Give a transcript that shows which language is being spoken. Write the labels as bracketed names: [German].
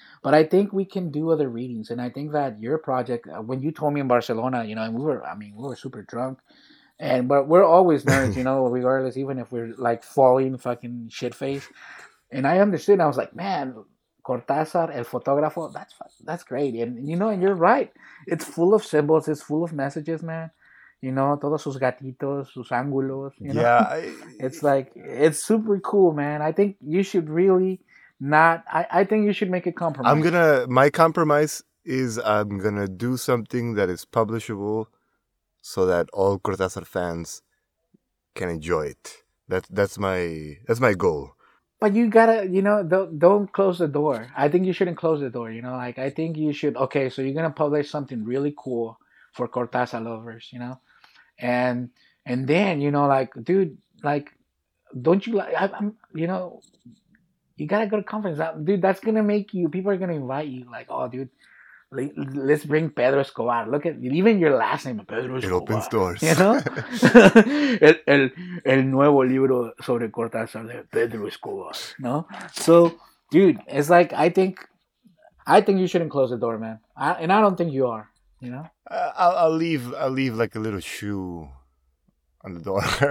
[English] But I think we can do other readings. And I think that your project, when you told me in Barcelona, you know, and we were super drunk. But we're always nerds, you know, regardless, even if we're like falling fucking shit face. And I understood. I was like, man, Cortázar, El Fotógrafo, that's great. And you know, and you're right. It's full of symbols. It's full of messages, man. You know, [Spanish] todos sus gatitos, sus ángulos. [English] You know? Yeah. It's like, it's super cool, man. I think you should really... I think you should make a compromise. My compromise is I'm gonna do something that is publishable so that all Cortázar fans can enjoy it. That's my goal. But you gotta, you know, don't close the door. I think you shouldn't close the door, you know? Like, I think you should, okay, so you're going to publish something really cool for Cortázar lovers, you know? And then, you know, like, dude, like, don't you, like, I'm, you know, you got to go to conference. Dude, that's going to make you, people are going to invite you. Like, oh, dude, let's bring Pedro Escobar. Look at, even your last name, Pedro Escobar. It opens doors. You know? [Spanish] el nuevo libro sobre Cortázar de Pedro Escobar, no? [English] So, dude, it's like, I think you shouldn't close the door, man. And I don't think you are, you know? I'll leave like a little shoe on the door.